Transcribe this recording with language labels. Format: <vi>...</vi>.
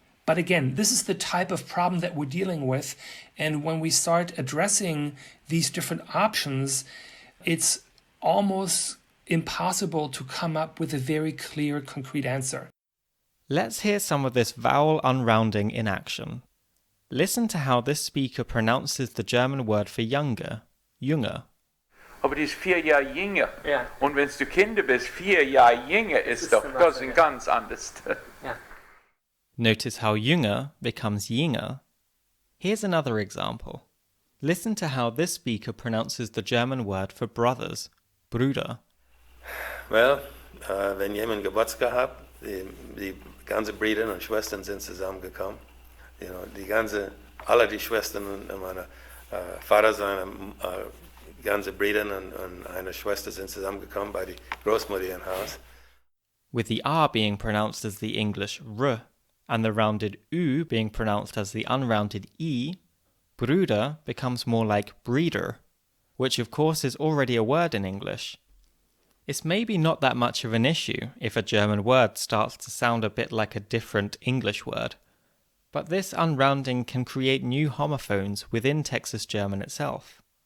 <en>But again, this is the type of problem that we're dealing with. And when we start addressing these different options, it's almost impossible to come up with a very clear, concrete answer. Let's hear some of this vowel unrounding in action. Listen to how this speaker pronounces the German word for younger, jünger.</en> <de>Aber die ist 4 Jahre jünger.</de> <en>Yeah.</en> <de>Und wenn du Kinder bist, 4 Jahre jünger ist doch das ein ganz anderes.</de> <en>Notice how jünger becomes jinger. Here's another example. Listen to how this speaker pronounces the German word for brothers, Brüder.</en> <de>Well, wenn jemand Geburtstag hat, die ganze Brüder und Schwestern sind zusammengekommen.</de> <en>You know,</en> <de>die ganze, alle die Schwestern und meine Vater, seine ganze Brüder und eine Schwester sind zusammengekommen bei die Großmutter im Haus.</de> <en>With the R being pronounced as the English R, and the rounded U being pronounced as the unrounded E, Brüder becomes more like breeder, which of course is already a word in English. It's maybe not that much of an issue if a German word starts to sound a bit like a different English word, but this unrounding can create new homophones within Texas German itself.</en>